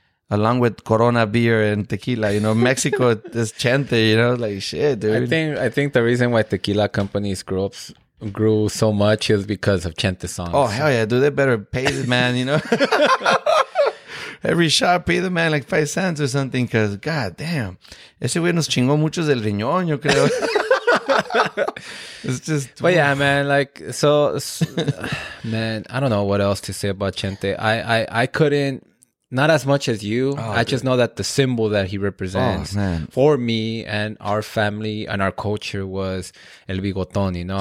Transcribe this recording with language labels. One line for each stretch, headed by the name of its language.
English: Along with Corona beer and tequila, you know, Mexico is chente, you know, like shit, dude. I think the reason why tequila companies grew so much is because of chente songs. Oh, hell yeah, dude. They better pay the man, you know. Every shot, pay the man like 5 cents or something, because god damn.
Spanish: Ese güey nos chingó muchos del riñón, yo creo.
English: It's just. But yeah, man, like, so man, I don't know what else to say about chente. I couldn't. Not as much as you. Oh, I just know that the symbol that he represents for me and our family and our culture was
Spanish: el bigotón,
English: you know?